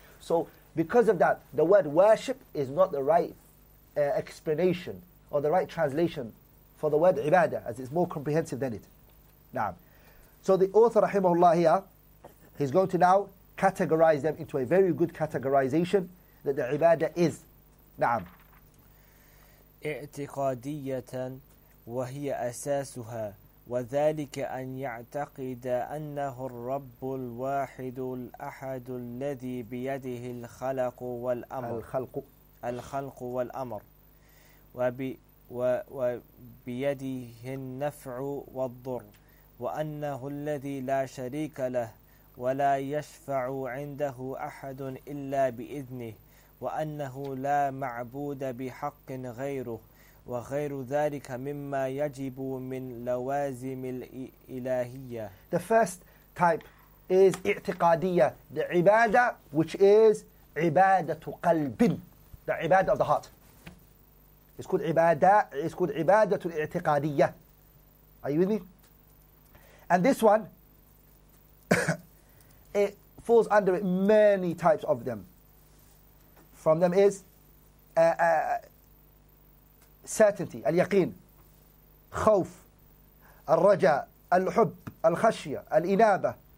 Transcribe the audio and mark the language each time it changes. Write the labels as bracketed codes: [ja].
[en] So because of that, the word worship is not the right explanation or the right translation for the word ibadah, as it's more comprehensive than it. Naam. So the author, rahimahullah, here, he's going to now categorize them into a very good categorization that the ibadah is. Naam. [ar] اعتقادية وهي أساسها وذلك أن يعتقد أنه الرب الواحد الأحد الذي بيده الخلق والأمر. الخلق والأمر. وبيده النفع والضر وأنه الذي لا شريك له ولا يشفع عنده أحد إلا بإذنه وأنه لا معبود بحق غيره وغير ذلك مما يجب من لوازم الإلهية. [en] The first type is اعتقادية, the ibadah which is عبادة قلب, the ibadah of the heart. It's called عبادة الاعتقادية. Are you with me? And this one, it falls under many types of them. From them is certainty, al-yaqeen, khawf, al-raja, al-hub, al-khashya, al-inaba.